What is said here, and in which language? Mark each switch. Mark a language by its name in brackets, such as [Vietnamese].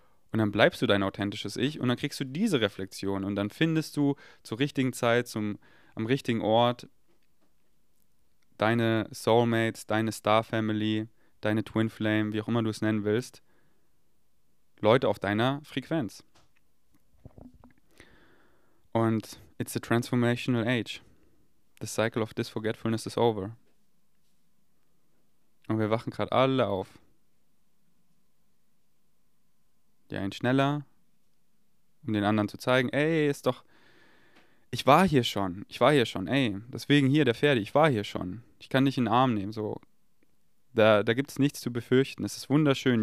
[German] Und dann bleibst du dein authentisches Ich und dann kriegst du diese Reflexion und dann findest du zur richtigen Zeit, am richtigen Ort deine Soulmates, deine Star Family, deine Twin Flame, wie auch immer du es nennen willst, Leute auf deiner Frequenz. [English] Und it's the transformational age. The cycle of this forgetfulness is over. [German] Und wir wachen gerade alle auf. Die einen schneller, um den anderen zu zeigen, ey, ist doch, ich war hier schon, ich war hier schon, ey, deswegen hier der Pferde, ich war hier schon. Ich kann dich in den Arm nehmen, so. Da gibt es nichts zu befürchten. Es ist wunderschön.